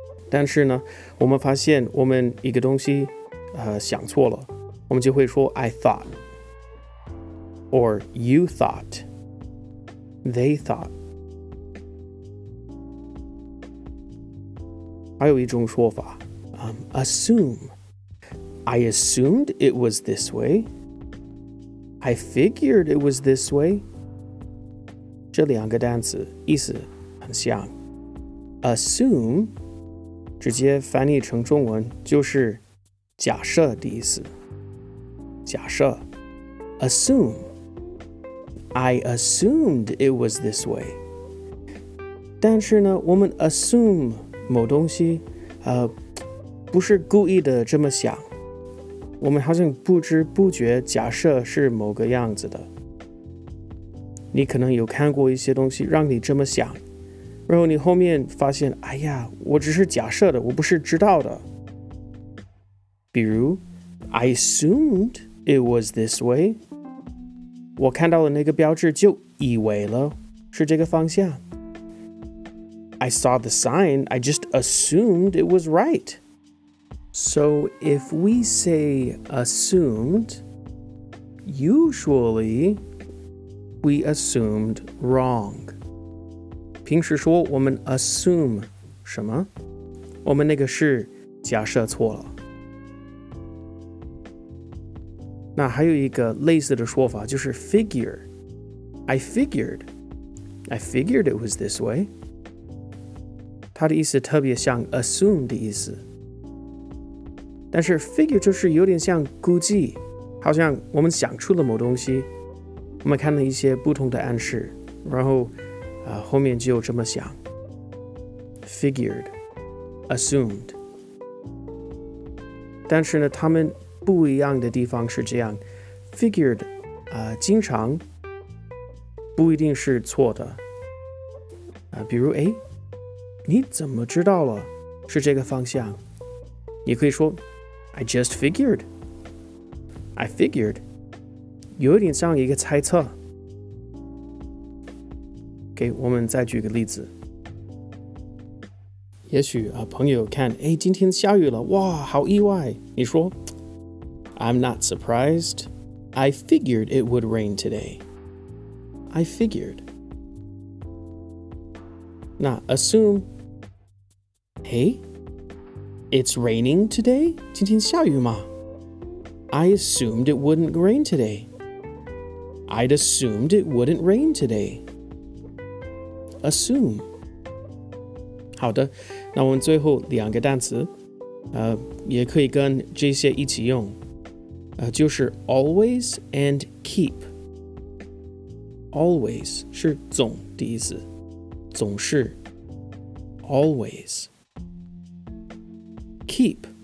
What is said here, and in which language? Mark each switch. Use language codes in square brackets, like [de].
[zh] 但是呢，我们发现我们一个东西，想错了，我们就会说 [en] I thought, or you thought, they thought. [zh] 还有一种说法，assume. [en] I assumed it was this way. I figured it was this way. [zh] 这两个单词意思很像。Assume. 直接翻译成中文就是假设的意思。假设 ，assume。 [en] I assumed it was this way。 [zh] 但是呢，我们 assume 某东西，不是故意的这么想。我们好像不知不觉假设是某个样子的。你可能有看过一些东西让你这么想。然后你后面发现，哎呀，我只是假设的，我不是知道的。比如 [en] ，I assumed it was this way。 [zh] 我看到了那个标志，就以为了是这个方向。 [en] I saw the sign, I just assumed it was right. So if we say assumed, usually we assumed wrong. [zh] 平时说我们 assume 什么？我们那个是假设错了。那还有一个类似的说法就是 figure。 [en] I figured it was this way。 [zh] 它的意思特别像 assume 的意思。但是 figure 就是有点像估计，好像我们想出了某东西，我们看了一些不同的暗示，然后。后面就这么想 figured, assumed. 但是呢，他们不一样的地方是这样 figured, 经常不一定是错的。比如，哎，你怎么知道了是这个方向？你可以说 [en] I just figured. I figured. [zh] 有点像一个猜测。 Okay, 我们再举个例子。也许啊，朋友看，哎，今天下雨了，哇，好意外。你说 [en] ，I'm not surprised. I figured it would rain today. I figured. 那 assume. Hey, it's raining today. [zh] 今天下雨吗 [en] ？I assumed it wouldn't rain today. I'd assumed it wouldn't rain today. Assume. [zh] 好的，那我们最后两个单词，也可以跟这些一起用，就是 always and keep. Always 是总的意思，总是 always. Keep.